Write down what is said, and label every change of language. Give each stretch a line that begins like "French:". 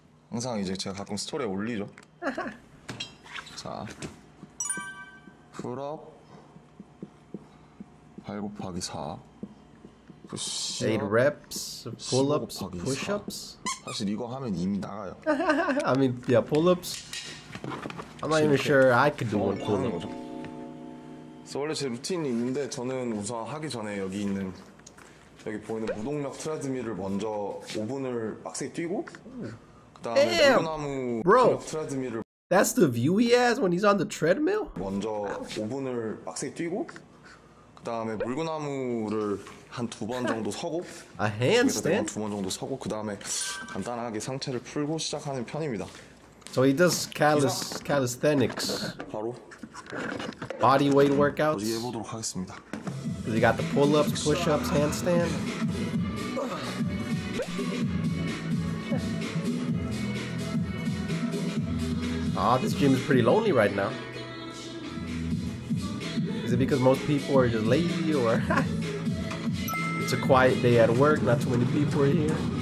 Korean: 항상 이제 제가 가끔 스토리에 올리죠. 자, 풀업. 8 곱하기 4
English: push 8 reps, pull-ups, push-ups.
Korean: 사실 이거 하면 이미 나가요.
English: I mean, yeah, pull-ups. I'm not even sure I could do one pull-up.
Korean: 원래 제 루틴이 있는데 저는 우선 하기 전에 여기 있는 여기 보이는 무동력 트레드밀을 먼저 5분을 빡세게 뛰고 그다음에 나무 무동력 트레드밀을
English: That's the view he has when he's on the treadmill?
Korean: 먼저 5분을 빡세게 뛰고 그다음에 물구나무를 한 두 번 정도 서고
English: A handstand?
Korean: 두 번 정도 서고 그다음에 간단하게 상체를 풀고 시작하는 편입니다.
English: So he does calisthenics.
Korean: 바로
English: body weight workouts.
Korean: 이제 해보도록 하겠습니다.
English: He got the pull-ups, push-ups, handstand. 아, this gym is pretty lonely right now. Is it because most people are just lazy or it's a quiet day at work, not too many people are here?